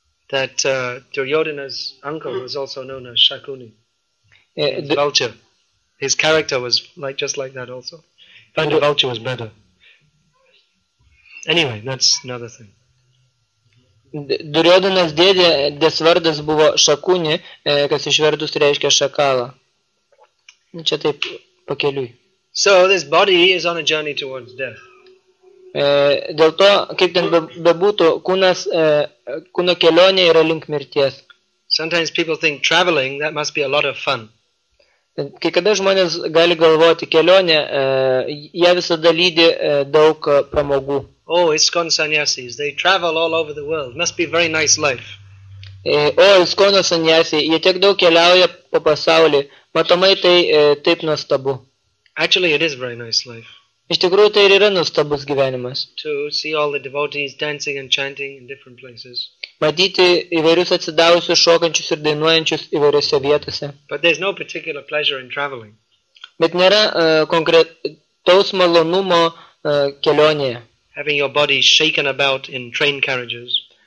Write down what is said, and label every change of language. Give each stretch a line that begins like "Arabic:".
English: That Duryodhana's uncle was also known as Shakuni. The vulture. His character was like just like that also. But the vulture was better. Anyway, that's another thing.
Lithuanian: Duryodhana's dėdės vardas buvo Shakuni, kas išvertus reiškia šakalą. Čia taip pakeliui.
English: So this body is on a journey towards death.
Lithuanian: Dėl to, kaip ten bebūtų, kūno kelionė yra link mirties.
English: Sometimes people think traveling, that must be a lot of fun.
Lithuanian: Kai kada žmonės gali galvoti kelionę, jie visada lydi daug pramogų.
English: Oh, iskon sanyasis, they travel all over the world, must be a very nice life.
Lithuanian: Iskono sanyasi, jie tiek daug keliauja po pasaulį, matomai tai taip nuostabu.
English: Actually, it is a very nice life.
Lithuanian: Iš tikrųjų, tai ir yra nuostabus gyvenimas.
English: To see all the devotees dancing and chanting in different places.
Lithuanian: Matyti įvairius atsidavusius, šokančius ir dainuojančius įvairiose vietose.
English: But there's no particular pleasure in traveling.
Lithuanian: Bet nėra konkretaus malonumo kelionėje.
English: Having your body shaken about in train carriages.